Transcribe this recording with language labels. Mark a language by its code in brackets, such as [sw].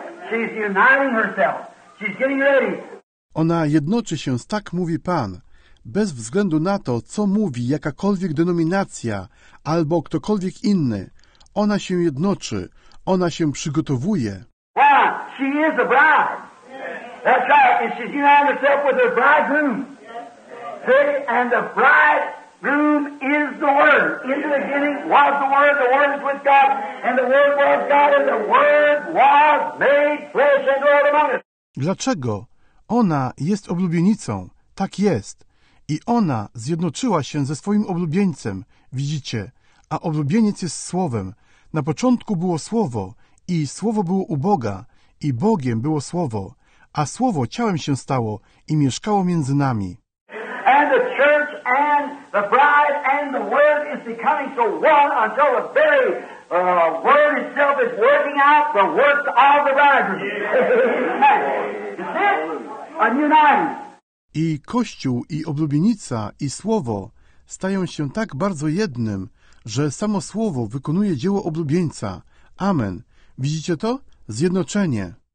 [en] She's uniting herself. She's getting ready. [pl] Ona jednoczy się z Tak Mówi Pan, bez względu na to, co mówi jakakolwiek denominacja albo ktokolwiek inny. Ona się jednoczy, ona się przygotowuje. [en] Why? She is a bride. That's right, and she's united herself with her bridegroom. See, and the bridegroom is the Word. In the beginning was the Word was with God, and the Word was God, and the Word was made flesh and dwelt among us. [pl] Dlaczego? Ona jest oblubienicą. Tak jest. I ona zjednoczyła się ze swoim oblubieńcem, widzicie, a oblubieniec jest Słowem. Na początku było Słowo i Słowo było u Boga i Bogiem było Słowo, a Słowo ciałem się stało i mieszkało między nami. [en] And the church and the bride and the word is becoming so one until the very word itself is working out the works of the bridegroom. Amen. You see? A united. [pl] I Kościół, i oblubienica, i Słowo stają się tak bardzo jednym, że samo Słowo wykonuje dzieło oblubieńca. Amen. Widzicie to? Zjednoczenie.